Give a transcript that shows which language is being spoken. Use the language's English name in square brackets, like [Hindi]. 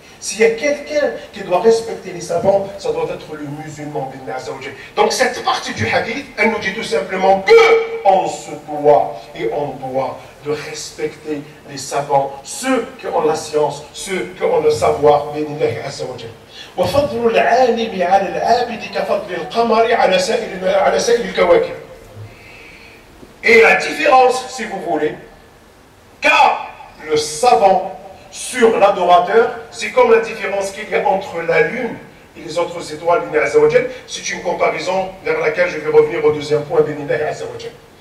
[French] S'il y a quelqu'un qui doit respecter les savants, ça doit être le musulman, bin Azzawajal. Donc cette partie du hadith, elle nous dit tout simplement que on se doit et on doit de respecter les savants, ceux qui ont la science, ceux qui ont le savoir, bin Azzawajal. [Arabic] وفضل العالم على العابد كفضل القمر على سائر الكواكب. [French] Et la différence, si vous voulez, car le savant sur l'adorateur, c'est comme la différence qu'il y a entre la lune et les autres étoiles d'Inna Azzawajal. C'est une comparaison vers laquelle je vais revenir au deuxième point d'Inna Azzawajal.